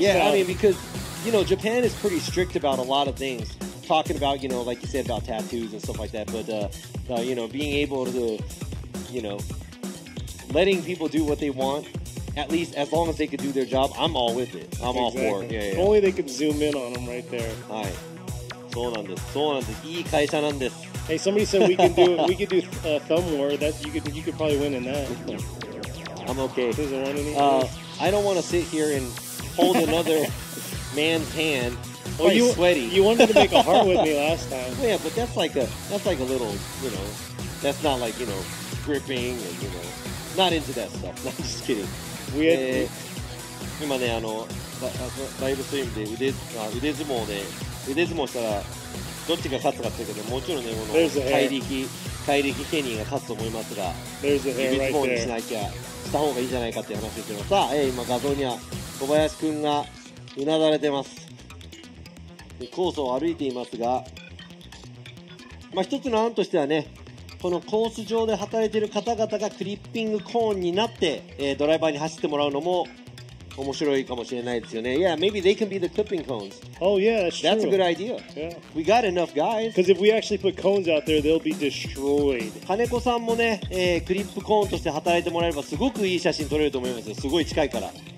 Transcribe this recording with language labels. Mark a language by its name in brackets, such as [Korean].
[English] Yeah, I mean, because you know Japan is pretty strict about a lot of things, talking about, you know, like you said about tattoos and stuff like that, but you know, being able to, you know, letting people do what they wantAt least, as long as they could do their job, I'm all with it. I'm、exactly. all for it. Yeah, yeah. Only they could zoom in on them right there. [Japanese] はい。そうなんです。そうなんです。いい会社なんです。 [English] Hey, somebody said we can do, we could do a thumb war. That, you could probably win in that. I'm okay. Does it want any? I don't want to sit here and hold another man's hand. Oh, you sweaty. You wanted to make a heart with me last time. Well, yeah, but that's like a little, you know, that's not like, you know, gripping and, you know, not into that stuff. No, I'm just kidding. [Japanese] 今ね、あのライブストリームで腕相撲したらどっちが勝つかって言うけど、もちろんね、この怪力ケニーが勝つと思いますが、腕相撲にしなきゃした方がいいじゃないかっていう話ですけど、さあ、今画像には小林くんがうなだれてます。でコースを歩いていますが、まあ、一つの案としてはね、このコース上で働いている方々がクリッピングコーンになって、ドライバーに走ってもらうのも面白いかもしれないですよね。 [English] Yeah, maybe they can be the clipping cones. Oh yeah, that's true. That's a good idea. Yeah. We got enough guys. Because if we actually put cones out there, they'll be destroyed. [Japanese] 金子さんもね、クリップコーンとして働いてもらえればすごくいい写真撮れると思いますよ。すごい近いから。